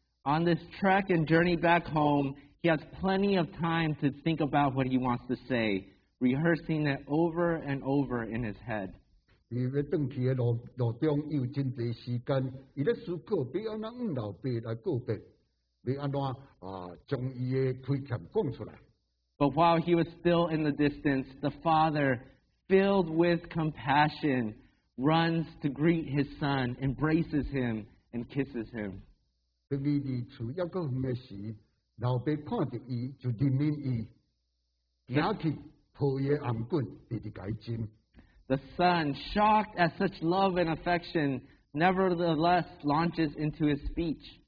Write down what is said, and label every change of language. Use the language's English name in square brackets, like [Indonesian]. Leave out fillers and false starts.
[English] On this trek and journey back home, he has plenty of time to think about what he wants to say, rehearsing it over and over in his head. [Min Nan Chinese] 伊要转去的路中有真侪时间，伊咧思考要安怎向老爸来告别，要安怎啊将伊的亏欠讲出来。 [English] But while he was still in the distance, the father, filled with compassion, runs to greet his son, embraces him, and kisses him. The son, shocked at such love and affection, nevertheless launches into his speech.